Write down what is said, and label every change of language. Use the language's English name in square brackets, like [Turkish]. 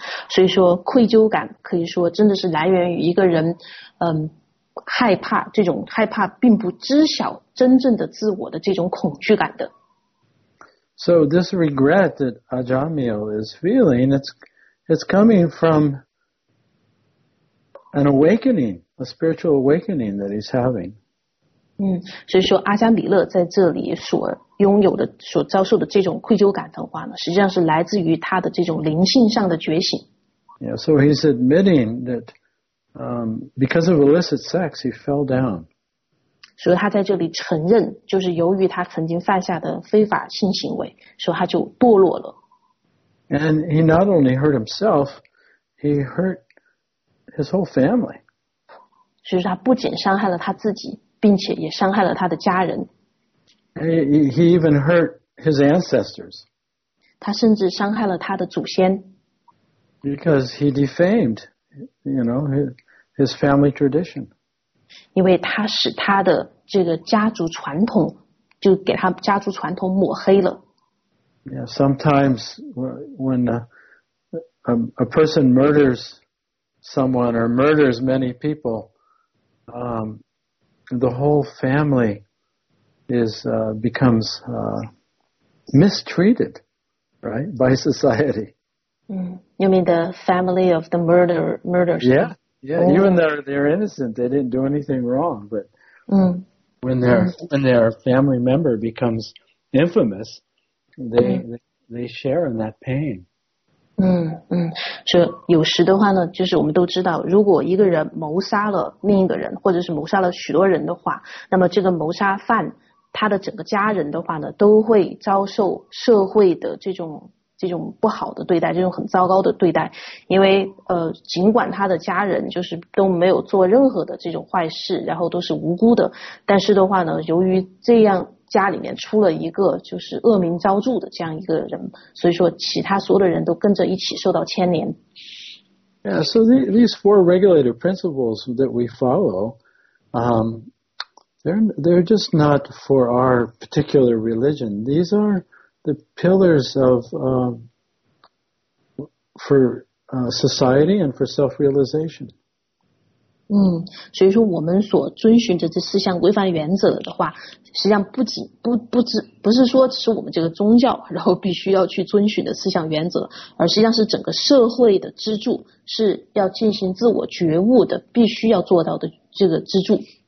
[Chinese] 所以说愧疚感可以说真的是来源于一个人，害怕这种害怕并不知晓真正的自我的这种恐惧感的。 [English] So this regret that Ajamiyo is feeling, it's coming from an awakening, a spiritual awakening that he's having. [Chinese] 所以说阿加米勒在这里所拥有的、所遭受的这种愧疚感的话呢，实际上是来自于他的这种灵性上的觉醒。 [English] Yeah, so he's admitting that. Because of illicit sex, he fell down. [Chinese] 所以他在这里承认，就是由于他曾经犯下的非法性行为，所以他就堕落了。 [English] And he not only hurt himself, he hurt his whole family. [Chinese] 所以他不仅伤害了他自己，并且也伤害了他的家人。 [English] He even hurt his ancestors. [Chinese] 他甚至伤害了他的祖先。 [English] Because he defamed. You know, his family tradition. [Chinese] 因为他使他的这个家族传统就给他家族传统抹黑了。 [English] Yeah, sometimes when a person murders someone or murders many people, the whole family becomes mistreated, right, by society. You mean the family of the murderers? Yeah, even though they're innocent, they didn't do anything wrong, but When their family member becomes infamous, they share in that pain. [Chinese] 是有时的话呢，就是我们都知道，如果一个人谋杀了另一个人，或者是谋杀了许多人的话，那么这个谋杀犯他的整个家人的话呢，都会遭受社会的这种不好的对待，这种很糟糕的对待，因为尽管他的家人就是都没有做任何的这种坏事，然后都是无辜的，但是的话呢，由于这样家里面出了一个就是恶名昭著的这样一个人，所以说其他所有的人都跟着一起受到牵连。 [English] Yeah, so these four regulative principles that we follow, they're just not for our particular religion. These are the pillars of for society and for self-realization. [Chinese] 所以说我们所遵循着这四项规范原则的话，实际上不是说只是我们这个宗教然后必须要去遵循的四项原则，而实际上是整个社会的支柱，是要进行自我觉悟的必须要做到的这个支柱。